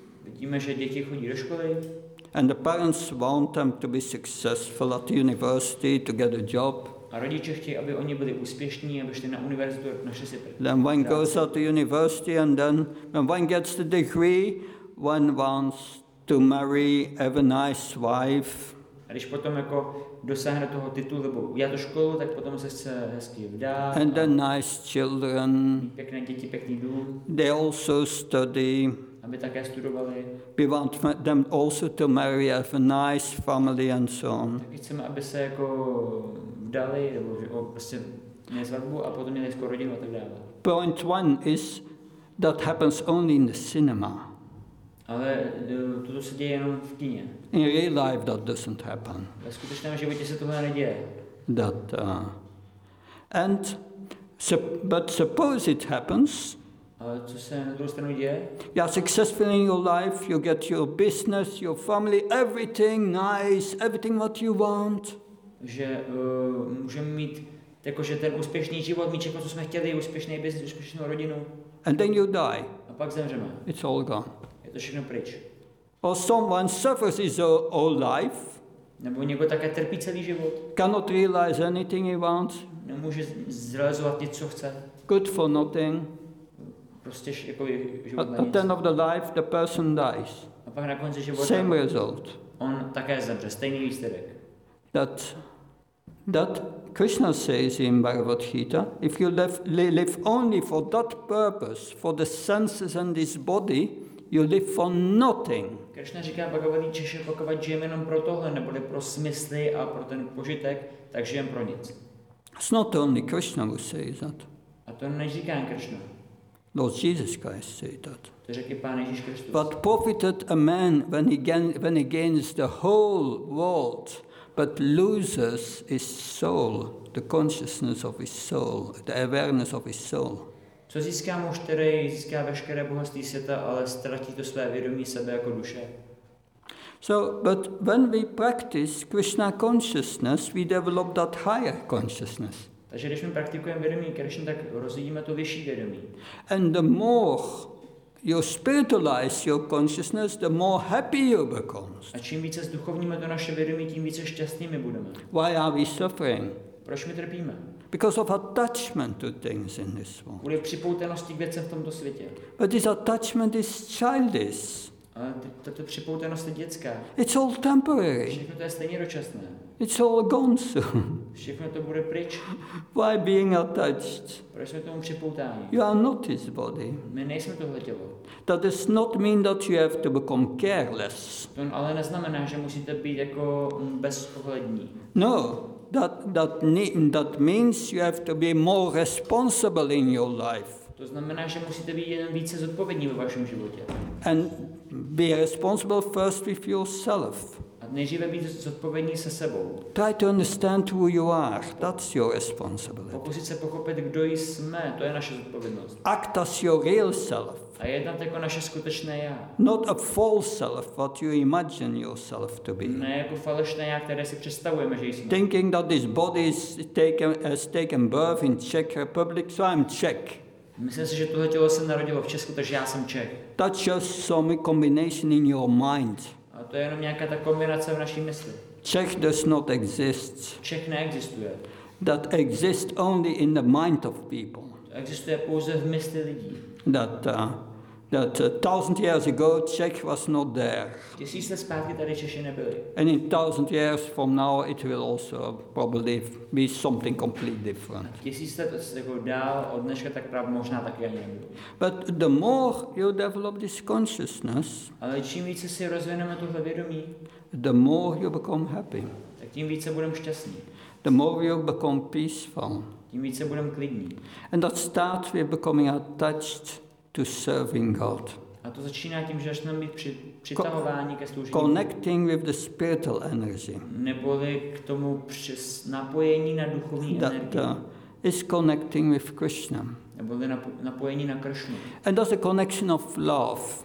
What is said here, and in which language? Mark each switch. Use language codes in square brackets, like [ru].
[cs] Vidíme, že děti chodí do školy. [en] And the parents want them to be successful at university to get a job. [cs] A rodiče chtějí, aby oni byli úspěšní, aby šli na univerzitu, našli si práci. [en] Then one goes out to university and then when one gets the degree, one wants to marry, have a nice wife. [cs] když potom jako dosáhne toho titulu, nebo já to školu, tak potom se chce hezky vdát. [en] And the nice children. [cs] Pěkné děti, pěkný dům. [en] They also study. [cs] Aby také studovali. [en] We want them also to marry, have a nice family and so on. [cs] Taky chceme, aby se jako vdali, nebo prostě měli svatbu a potom měli skoro rodinu a tak dále. [en] Point one is that happens only in the cinema. [cs] Ale to se děje jenom v kině. [en] In real life that doesn't happen. [cs] Ve skutečném životě se tohle neděje. [en] That, and so, but suppose it happens. [cs] Ale co se na druhou stranu děje? [en] You are successful in your life, you get your business, your family, everything nice, everything what you want. [cs] Že můžeme mít jakože ten úspěšný život, mít všechno, co jsme chtěli, úspěšný business, úspěšnou rodinu. [en] And then you die. [cs] A pak zemřeme. [en] It's all gone. [cs] Je to všechno pryč. [en] Or someone suffers his whole life. [cs] Nebo někdo také trpí celý život. [en] Cannot realize anything he wants. [cs] Nemůže zrealizovat nic, co chce. [en] Good for nothing. [cs] Prostě jako život na nic. [en] At the end of the life, the person dies. [cs] A pak na konci života. [en] Same result. [cs] On také zemře, stejný výsledek. [en] That Krishna says in Bhagavad Gita, if you live only for that purpose, for the senses and this body, you live for nothing. [cs] Krishna říká Bhagavad Gita, že pokud žijeme jenom pro tohle, neboli pro smysly a pro ten požitek, tak žijeme pro nic. [en] It's not only Krishna who says that. [cs] A to neříká jen Krishna. [en] Lord Jesus Christ said that. [cs] To řekl Pán Ježíš Kristus. [en] But profited a man when he gains the whole world, but loses his soul, the consciousness of his soul, the awareness of his soul. [cs] Co získá muž, který získá veškeré bohatství světa, ale ztratí to své vědomí sebe jako duše? [en] So, but when we practice Krishna consciousness, we develop that higher consciousness. [cs] Takže když my praktikujeme vědomí Krishna, tak rozvíjíme to vyšší vědomí. [en] And the more you spiritualize your consciousness, the more happy you become. [cs] A čím více zduchovníme to naše vědomí, tím více šťastnými budeme. [en] Why are we suffering? [cs] Proč my trpíme? [en] Because of attachment to things in this world. [cs] Kvůli připoutanosti k věcem v tomto světě. [en] But this attachment is childish. [cs] Tato připoutanost je dětská. [en] It's all temporary. [cs] Všechno to je stejně dočasné. [en] It's all gone soon. [cs] Všechno to bude pryč. [en] Why being attached? [cs] Proč jsme tomu připoutáni? [en] You are not his body. [cs] My nejsme tohle tělo. [en] That does not mean that you have to become careless. [cs] To ale neznamená, že musíte být jako bezohlední. [en] No. That means you have to be more responsible in your life. [cs] To znamená, že musíte být jen více zodpovědní ve vašem životě. [en] And be responsible first with yourself. [cs] A nejdříve být zodpovědní se sebou. [en] Try to understand who you are. That's your responsibility. [cs] Pokusit se pochopit, kdo jsme, to je naše zodpovědnost. [en] Act as your real self. [cs] A jednat jako naše skutečné já. [en] Not a false self, what you imagine yourself to be. [cs] Ne jako falešné já, které si představujeme, že jsme. [en] Thinking that this body has taken birth in Czech Republic, so I'm Czech. [cs] Myslím si, že tohle tělo se narodilo v Česku, takže já jsem Čech. [en] That's just some combination in your mind. [cs] A to je jenom nějaká ta kombinace v naší mysli. [en] Czech does not exist. [cs] Čech neexistuje. [en] That exists only in the mind of people. [cs] To existuje pouze v mysli lidí. [en] That 1,000 years ago Czech was not there. [cs] Tisíc let zpátky tady Češi nebyli. [en] And in 1,000 years from now it will also probably be something completely different. [cs] Tisíc let jako dál od dneška tak právě možná taky ani nebyli. [en] But the more you develop this consciousness, [cs] ale čím více si rozvineme tohle vědomí, [en] the more you become happy. [cs] Tak tím více budeme šťastní. [en] The more you become peaceful. [cs] Tím více budeme klidní. [en] And that starts with becoming attached to serving God. [cs] A to začíná tím, že začneme být přitahováni ke sloužení. [en] Connecting with the spiritual energy. [cs] Neboli k tomu napojení na duchovní energii. [en] That is connecting with Krishna. [cs] Neboli napojení na Krishnu. [en] And that's a connection of love.